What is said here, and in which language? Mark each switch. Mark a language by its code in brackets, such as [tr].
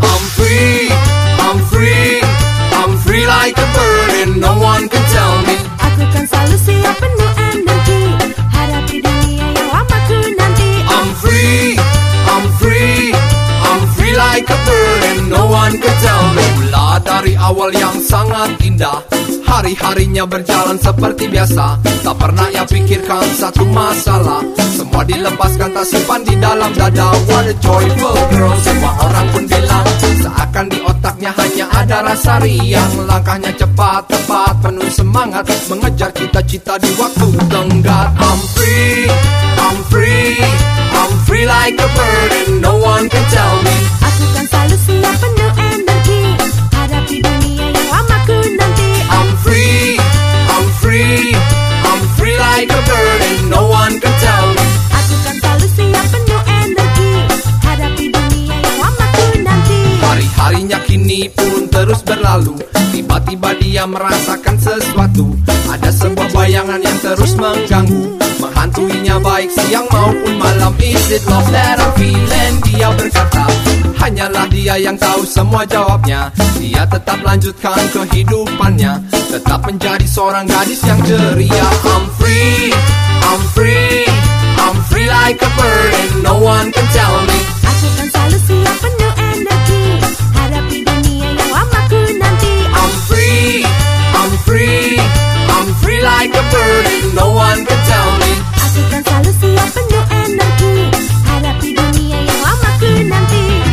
[en] I'm free, I'm free, I'm free like a bird and no one can tell me. [id] Aku kan selalu siap penuh energi, hadapi dunia yang lama ku nanti. [en] I'm free, I'm free, I'm free like a bird and no one can tell me. [id] Mula dari awal yang sangat indah, hari-harinya berjalan seperti biasa. Tak pernah ia pikirkan satu masalah, semua dilepaskan tak simpan di dalam dada. [en] What a joyful girl, [id] semua orang pun bilang. Seakan di otaknya hanya ada rasa riang, langkahnya cepat, tepat, penuh semangat, mengejar cita-cita di waktu tenggat. [en] I'm free, I'm free, I'm free like a bird and no one can tell me. [id] Aku kan selalu siap penuh energi, hadapi dunia yang lama ku nanti. [en] I'm free, I'm free, I'm free like a bird and no one can tell me. [id] Aku kan selalu siap penuh energi, hadapi dunia yang lama ku nanti. Hari-harinya kini pun terus berlalu, tiba-tiba dia merasakan sesuatu. Ada sebuah bayangan yang terus mengganggu, menghantuinya baik siang maupun malam. [en] Is it love that I'm feeling? [id] Dia berkata, hanyalah dia yang tahu semua jawabnya. Dia tetap lanjutkan kehidupannya, tetap menjadi seorang gadis yang ceria. [en] I'm free, I'm free, I'm free like a bird and no one can tell me. [id] Aku kan selalu siap penuh energi, hadapi dunia yang lama ku nanti. [en] I'm free, I'm free, I'm free like a bird and no one can tell me. [id] Aku kan selalu siap penuh energi, hadapi dunia yang lama ku nanti.